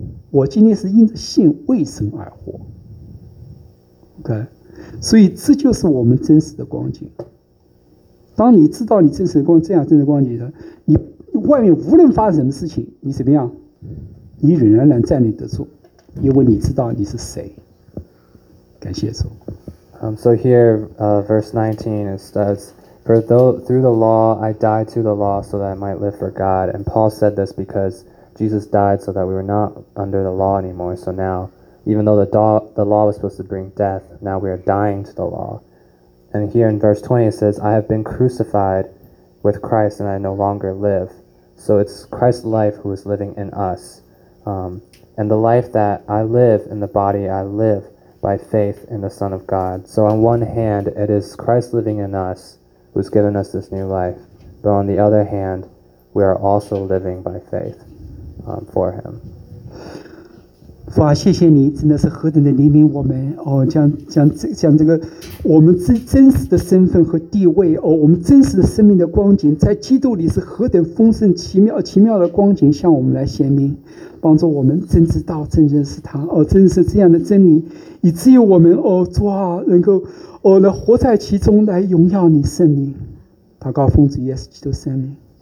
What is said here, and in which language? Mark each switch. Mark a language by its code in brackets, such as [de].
[zh] 我今天是因着信为神而活 ，OK， 所以这就是我们真实的光景。当你知道你真实的光这样真实的光景的，你外面无论发生什么事情，你怎么样，你仍然能站立得住，因为你知道你是谁。感谢主。 [en] So here, verse 19, it says, For through the law, I died to the law so that I might live for God. And Paul said this because Jesus died so that we were not under the law anymore. So now even though the law was supposed to bring death, now we are dying to the law. And here in verse 20 it says, I have been crucified with Christ and I no longer live. So it's Christ's life who is living in us. And the life that I live in the body, I live by faith in the Son of God. So on one hand, it is Christ living in us who's given us this new life. But on the other hand, we are also living by faith for him. [zh] 父啊，谢谢你，真的是何等的怜悯我们哦，将这个我们真实的身份和地位哦，我们真实的生命的光景，在基督里是何等丰盛奇妙的光景向我们来显明，帮助我们真知道真认识他哦，真是这样的真理，以至于我们哦，主啊，能够哦来活在其中，来荣耀你圣名，祷告奉主耶稣基督圣名。